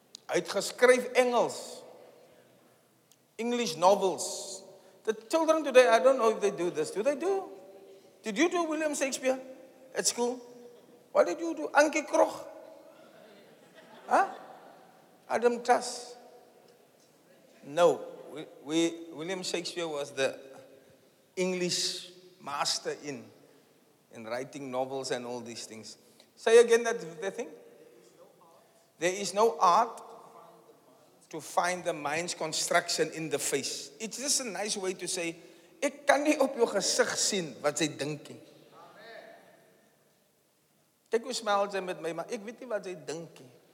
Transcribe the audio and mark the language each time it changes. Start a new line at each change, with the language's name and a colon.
Afrikaans: Hy het geskryf Engels,
English: English novels. The children today, I don't know if they do this. Do they do? Did you do William Shakespeare at school? What did you do? Anke Krog? Huh? Adam Tuss. No, William Shakespeare was the English master in writing novels and all these things. Say again that the thing. There is no art to find the mind's construction in the face. It's just a nice way to say,
Afrikaans: ek kan nie op jou gesig sien wat jy dink nie. Kyk hoe smil jy met my, maar ek weet nie wat jy dink nie.